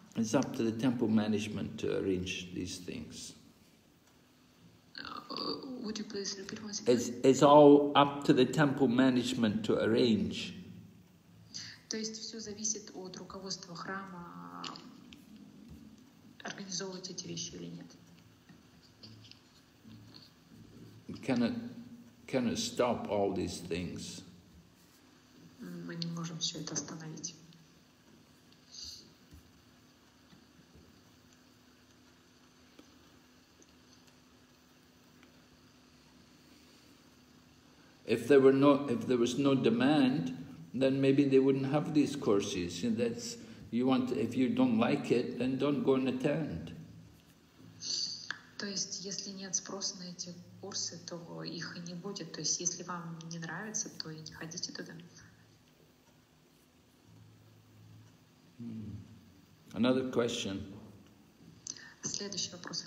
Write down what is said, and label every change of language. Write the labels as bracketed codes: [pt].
[en] It's up to the temple management to arrange these things. Would you please repeat once again? It's all up to the temple management to arrange. [ru] То есть все зависит от руководства храма, организовывать эти вещи или нет. [en] Cannot stop all these things. [ru] Мы не можем все это остановить. [en] If there was no demand, then maybe they wouldn't have these courses. If you don't like it, then don't go and attend. [ru] То есть, если нет спроса на эти курсы, то их и не будет. То есть, если вам не нравится, то и не ходите туда. [en] Another question. [ru] Следующий вопрос.